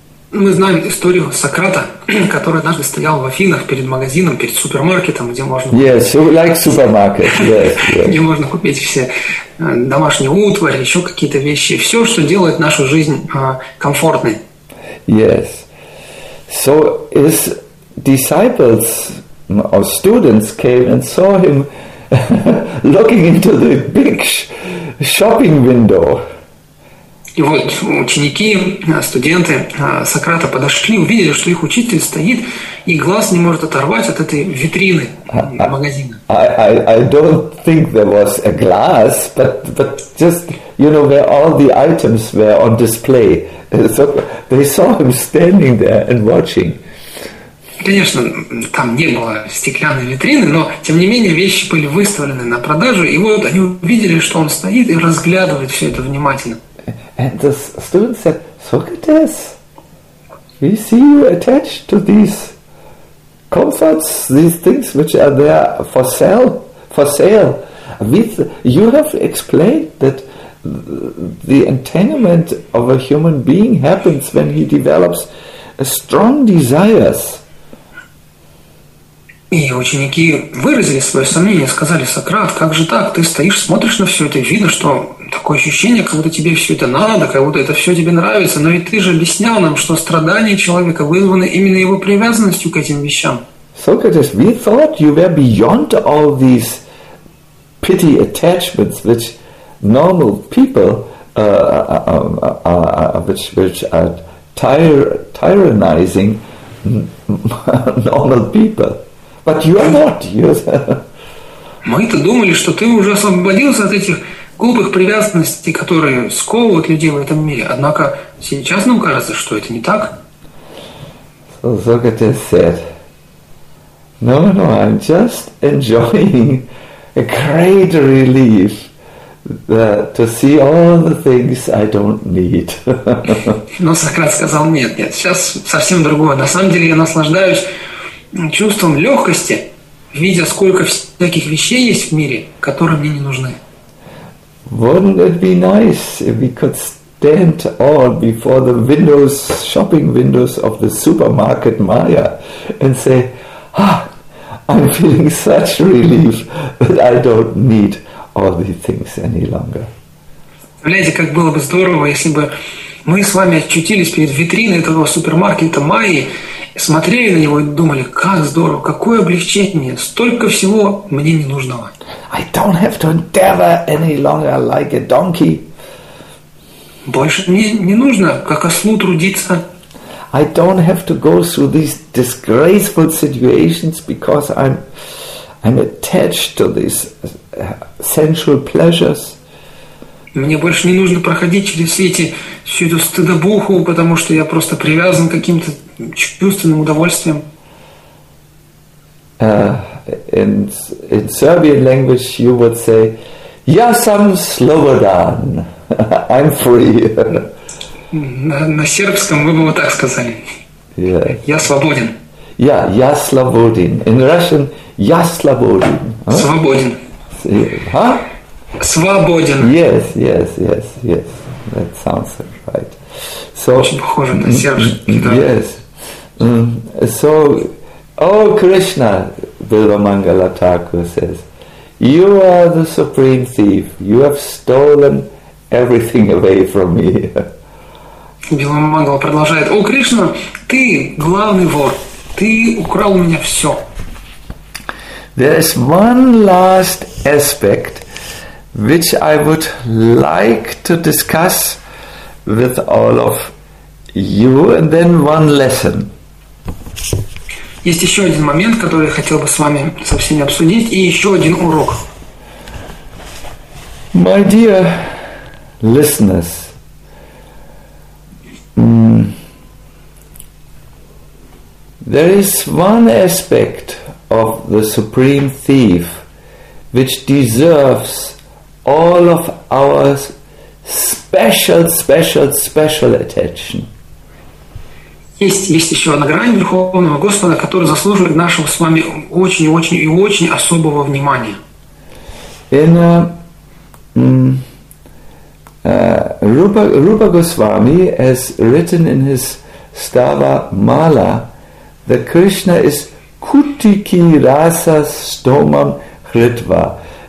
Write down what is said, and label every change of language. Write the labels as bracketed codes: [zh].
[ru] Мы знаем историю Сократа, который однажды стоял в Афинах перед магазином, перед супермаркетом, где можно где можно купить все домашние утвари, еще какие-то вещи, все, что делает нашу жизнь комфортной. [en] Yes. So his disciples or students came and saw him looking into the big shopping window. [ru] И вот ученики, студенты Сократа подошли, увидели, что их учитель стоит и глаз не может оторвать от этой витрины магазина. [en] I don't think there was a glass, but just, you know, where all the items were on display. So they saw him standing there and watching. [ru] Конечно, там не было стеклянной витрины, но тем не менее вещи были выставлены на продажу, и вот они увидели, что он стоит и разглядывает все это внимательно. [en] And the student said, Socrates, we see you attached to these comforts, these things which are there for sale. You have explained that the entanglement of a human being happens when he develops strong desires. [ru] И ученики выразили свое сомнение, сказали: Сократ, как же так? Ты стоишь, смотришь на все это, и видно, что такое ощущение, как будто тебе все это надо, как будто это все тебе нравится. Но ведь ты же объяснял нам, что страдания человека вызваны именно его привязанностью к этим вещам. [en] Socrates, we thought you were beyond all these petty attachments, which normal people, tyrannizing normal people. But you are not. [ru] Мы-то думали, что ты уже освободился от этих глупых привязанностей, которые сковывают людей в этом мире. Однако сейчас нам кажется, что это не так. [en] So Socrates said, No, I'm just enjoying a great relief to see all the things I don't need. [ru] Но Сократ сказал, нет, сейчас совсем другое. На самом деле я наслаждаюсь чувством легкости, видя, сколько всяких вещей есть в мире, которые мне не нужны. [en] Wouldn't it be nice if we could stand all before the windows, shopping windows of the supermarket Maya, and say, I'm feeling such relief that I don't need all these things any longer. [ru] Знаете, как было бы здорово, если бы мы с вами очутились перед витриной этого супермаркета Майи, смотрели на него и думали, как здорово, какое облегчение, столько всего мне не нужного. [en] I don't have to endeavor any longer like a donkey. [ru] Больше мне не нужно, как ослу, трудиться. [en] I don't have to go through these disgraceful situations, because I'm attached to these sensual pleasures. [ru] Мне больше не нужно проходить через всю эту стыдобуху, потому что я просто привязан к каким-то чувственным удовольствиям. [en] In Serbian language you would say, [sr] Ja sam slobodan, [en] I'm free. [ru] На сербском вы бы вот так сказали. [en] Yeah. [ru] Я свободен. [en] Yeah, [sr] ja slobodin. [en] In Russian, [sr] Ja slobodin. [ru] Huh? Свободен. Huh? Свободен. [en] Yes. That sounds right. [ru] So, очень похоже на сербский. [en] Yes. So, oh Krishna, Vilvamangala Thakur says, you are the supreme thief. You have stolen everything away from me. [ru] Vilvamangala продолжает, о Кришна, ты главный вор. Ты украл у меня все. [en] There is one last aspect which I would like to discuss with all of you, and then one lesson. [ru] Есть еще один момент, который я хотел бы с вами со всеми обсудить, и еще один урок. [en] My dear listeners, There is one aspect of the supreme thief which deserves all of our special attention. [ru] Есть еще одна грань Верховного Господа, которая заслуживает нашего с вами очень особого внимания. [en] In Rupa Goswami has written in his Stava Mala that Krishna is Kutiki Rasa Stomam Hritva.